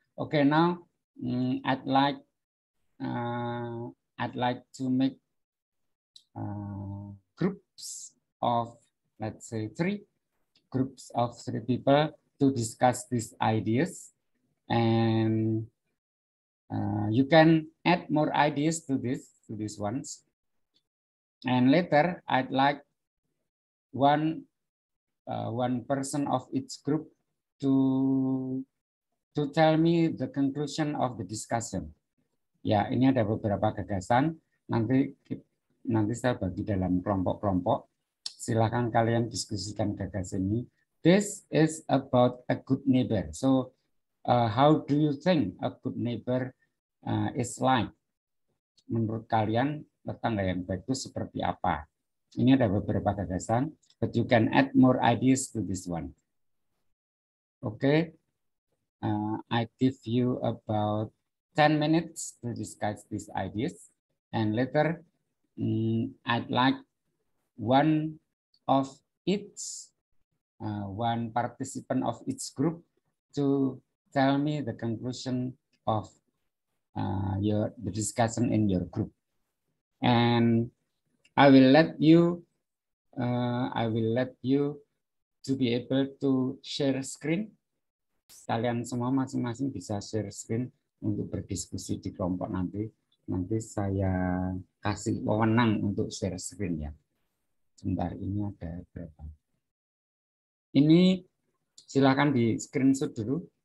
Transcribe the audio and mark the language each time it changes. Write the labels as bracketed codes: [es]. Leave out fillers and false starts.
[en] Okay, now I'd like to make groups of, let's say, three groups of three people to discuss these ideas, and you can add more ideas to these ones. And later I'd like one person of each group to tell me the conclusion of the discussion. [id] Ya, ini ada beberapa gagasan. Nanti saya bagi dalam kelompok-kelompok. Silakan kalian diskusikan gagasan ini. [en] This is about a good neighbor. So, how do you think a good neighbor is like? [id] Menurut kalian, tetangga yang baik itu seperti apa? Ini ada beberapa gagasan. [en] But you can add more ideas to this one. Okay. I give you about 10 minutes to discuss these ideas. And later, I'd like one participant of each group to tell me the conclusion of the discussion in your group. And I will let you to be able to share screen. [id] Kalian semua masing-masing bisa share screen untuk berdiskusi di kelompok nanti. Nanti saya kasih wewenang untuk share screen ya. Sebentar, ini ada berapa. Ini silakan di screenshot dulu.